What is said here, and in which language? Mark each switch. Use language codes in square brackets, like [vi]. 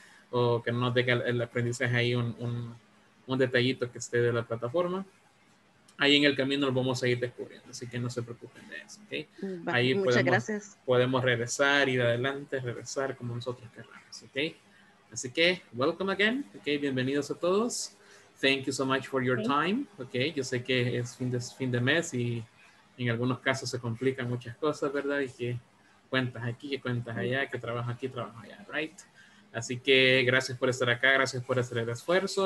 [es] O que no tenga el aprendizaje ahí un detallito que esté de la plataforma. Ahí en el camino lo vamos a ir descubriendo, así que no se preocupen de eso, ¿okay? Ahí muchas gracias. Podemos regresar, ir adelante, regresar como nosotros queramos, ¿okay? Así que, [en] welcome again, [es] ¿okay? Bienvenidos a todos. [en] Thank you so much for your time, ¿okay? [es] Yo sé que es fin de mes y en algunos casos se complican muchas cosas, ¿verdad? Y que cuentas aquí, que cuentas allá, que trabajo aquí, trabajo allá, ¿right? Así que gracias por estar acá, gracias por hacer el esfuerzo.